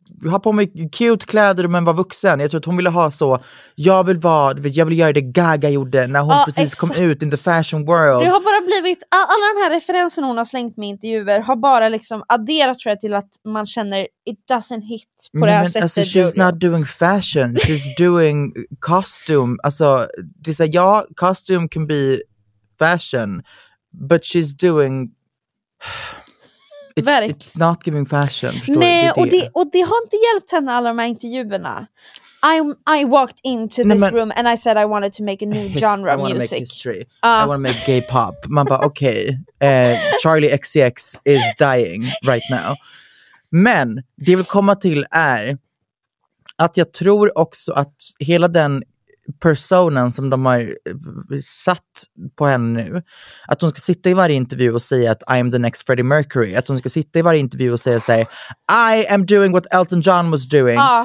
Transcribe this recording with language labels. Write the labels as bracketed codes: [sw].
[sv] ha på mig cute kläder men var vuxen. Jag tror att hon ville ha så, jag vill vara, jag vill göra det Gaga gjorde när hon kom ut [en] in the fashion world. [sv] Det har bara blivit, alla de här referenserna hon har slängt med intervjuer har bara liksom adderat, tror jag, till att man känner [en] it doesn't hit [sv] på det här sättet. [en] Alltså, she's not doing fashion, she's doing costume. [sv] Alltså, det är så här, ja, [en] costume can be fashion, but she's doing it's not giving fashion. [sv] Nej, och det har inte hjälpt henne alla de här intervjuerna. [en] I walked into room and I said I wanted to make a new genre of music. I want to make history. I want to make gay pop. [sv] Man bara, okej. [en] Charlie XCX is dying right now. [sv] Men det vi vill komma till är att jag tror också att hela den personen som de har satt på henne nu, att hon ska sitta i varje intervju och säga att [en] I am the next Freddie Mercury, [sv] att hon ska sitta i varje intervju och säga [en] I am doing what Elton John was doing.